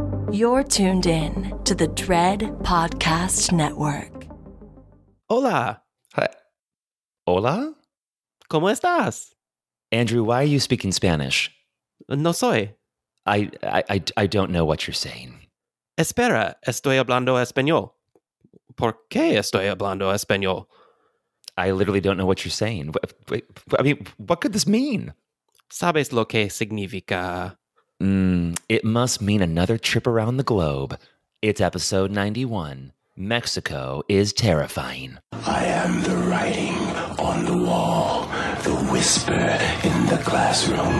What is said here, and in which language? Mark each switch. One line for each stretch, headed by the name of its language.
English: You're tuned in to the Dread Podcast Network.
Spanish: Hola.
English: Hi.
Spanish: Hola? ¿Cómo estás?
English: Andrew, why are you speaking Spanish?
Spanish: No soy.
English: I don't know what you're saying.
Spanish: Espera, estoy hablando español. ¿Por qué estoy hablando español?
English: I literally don't know what you're saying. I mean, what could this mean?
Spanish: ¿Sabes lo que significa?
English: It must mean another trip around the globe. It's episode 91. Mexico is terrifying. I am the writing on the wall, the whisper in the classroom.